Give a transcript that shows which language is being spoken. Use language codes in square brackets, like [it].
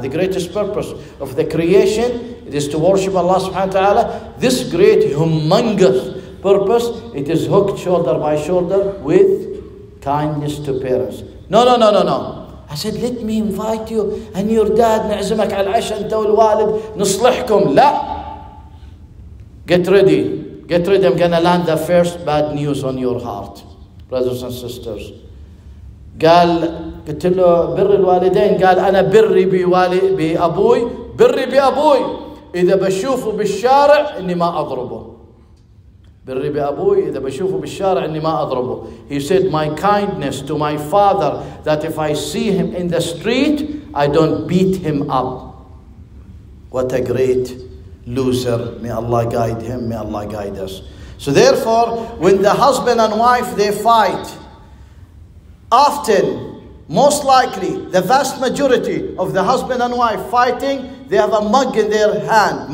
[en] The greatest purpose of the creation, it is to worship Allah subhanahu wa ta'ala. This great humongous purpose, it is hooked shoulder by shoulder with kindness to parents. No. I said, let me invite you and your dad. [ar] نعزمك على العشاء انت والوالد نصلحكم. [en] لا. Get ready. I'm going to land the first bad news on your heart, brothers and sisters. [ar] قال, قلت له بر الوالدين. قال, انا بري بابوي, بري بابوي. اذا بشوفه بالشارع اني ما اضربه. بري بأبوي, إذا بشوفه بالشارع إني ما أضربه. [en] He said, my kindness to my father, that if I see him in the street, I don't beat him up. What a great loser. May Allah guide him. May Allah guide us. So therefore, when the husband and wife, they fight, often, most likely, the vast majority of the husband and wife fighting, they have a mug in their hand.